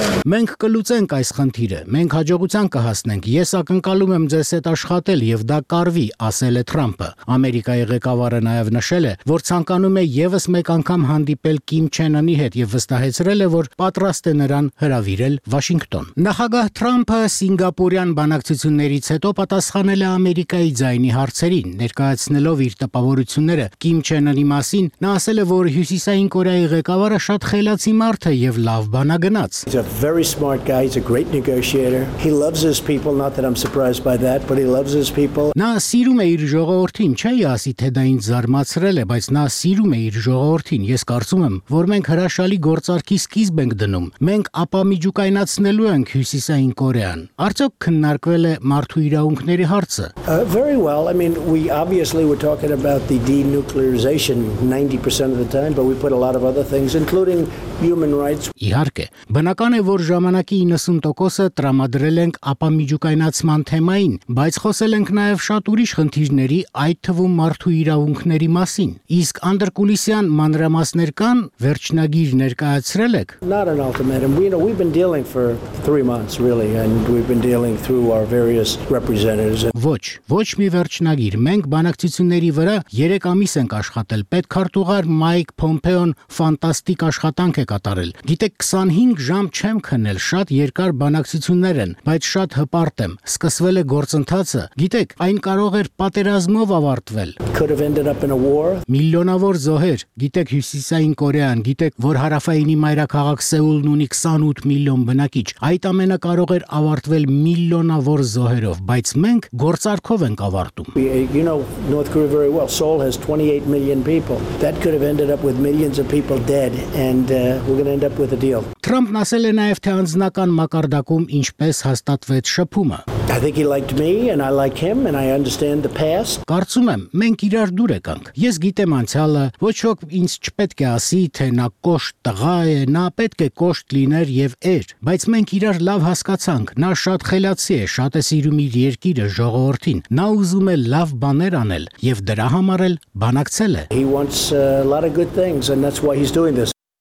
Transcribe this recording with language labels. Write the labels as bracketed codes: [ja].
[hy] Մենք կլուծենք այս խնդիրը, մենք հաջողության կհասնենք, ես ակնկալում եմ ձեզ հետ աշխատել և դա կարվի, ասել է Թրամփը։ Ամերիկայի ղեկավարը նաև նշել է, որ ցանկանում է ևս մեկ անգամ հանդիպել Կիմ Չեն Ունի հետ և վստահեցրել է, որ պատրաստ է նրան հրավիրել Վաշինգտոն։ Նախագահ Թրամփը Սինգապուրյան բանակցություններից հետո պատասխանել է Ամերիկայի ձայնի հարցերին, ներկայացնելով իր տպավորությունները Կիմ Չեն Ունի մասին, նա ասել է, որ Հյուսիսային Կորեայի ղեկավարը շատ խելացի մարդ է և լավ բանագնաց։ [en] Very smart guy, he's a great negotiator. He loves his people, not that I'm surprised by that, but he loves his people. [hy] Նա սիրում է իր ժողովրդին, չէի ասի, թե դա ինձ զարմացրել է, բայց նա սիրում է իր ժողովրդին, ես կարծում եմ, որ մենք հրաշալի գործարքի սկիզբ ենք դնում, մենք ապամիջուկայնացնելու ենք Հյուսիսային Կորեան։ Արդյոք քննարկվել է մարդու իրավունքների հարցը։ [en] Very well, I mean, we obviously were talking about the denuclearization 90% of the time, but we put a lot of other things, including human rights. [hy] Իհարկե, բնական է, որ ժամանակի 90%-ը տրամադրել ենք ապամիջուկայնացման թեմային, բայց խոսել ենք նաև շատ ուրիշ խնդիրների, այդ թվում մարդու իրավունքների մասին։ Իսկ անդրկուլիսյան մանրամասներ կան, վերջնագիր ներկայացրել եք։ [en] Not an ultimatum. We know we've been dealing for 3 months really and we've been dealing through our various representatives. [hy] Ոչ մի վերջնագիր, մենք բանակցությունների վրա 3 ամիս ենք աշխատել։ Պետք քարտուղար Մայք Փոմպեոն ֆանտաստիկ աշխատանք է կատարել։ Գիտեք, 25 ժամ չեմ քնել, շատ երկար բանակցություններ են, բայց շատ հպարտ եմ, սկսվել է գործընթացը, գիտեք, այն կարող էր պատերազմով ավարտվել, միլիոնավոր զոհեր, գիտեք Հյուսիսային Կորեան, գիտեք, որ հարավայինի մայրաքաղաք Սեուլն ունի 28 միլիոն բնակիչ, այդ ամենը կարող էր ավարտվել միլիոնավոր զոհերով, բայց մենք գործարքով ենք ավարտում։ [en] You know North Korea very well. Seoul has 28 million people. That could have ended up with millions of people dead and we're going to end up with a deal. [hy] Թրամփն ասել է նաև, թե անձնական մակարդակում ինչպես հաստատվեց շփումը։ [en] I think he liked me and I like him and I understand the past. [hy] Կարծում եմ, մենք իրար դուր եկանք։ Ես գիտեմ անցյալը, ոչ ոք ինձ չպետք է ասի, թե նա կոշտ տղա է, նա պետք է կոշտ լիներ եւ էր, բայց մենք իրար լավ հասկացանք։ Նա շատ խելացի է, շատ է սիրում իր երկիրը, ժողովրդին։ Նա ուզում է լավ բաներ անել եւ դրա համար էլ բանակցել է։ [en] He wants a lot of good things and that's why he's doing this.